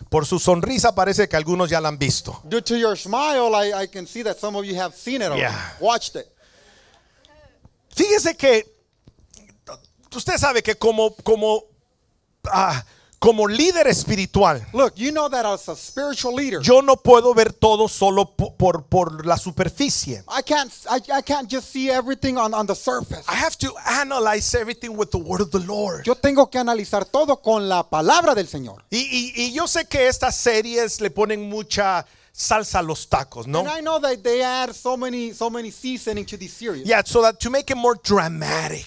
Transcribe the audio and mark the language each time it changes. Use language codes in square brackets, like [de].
[es] Por su sonrisa parece que algunos ya la han visto. [en] Due to your smile, I can see that some of you have seen it or yeah. Watched it. [es] Fíjese que usted sabe que como líder espiritual. [en] Look, you know that as a spiritual leader. [es] Yo no puedo ver todo solo por la superficie. [en] I can't just see everything on the surface. I have to analyze everything with the word of the Lord. [es] Yo tengo que analizar todo con la palabra del Señor. Y yo sé que estas series le ponen mucha salsa a los tacos, ¿no? [en] And I know that they add so many seasoning to this series. Yeah, so that to make it more dramatic.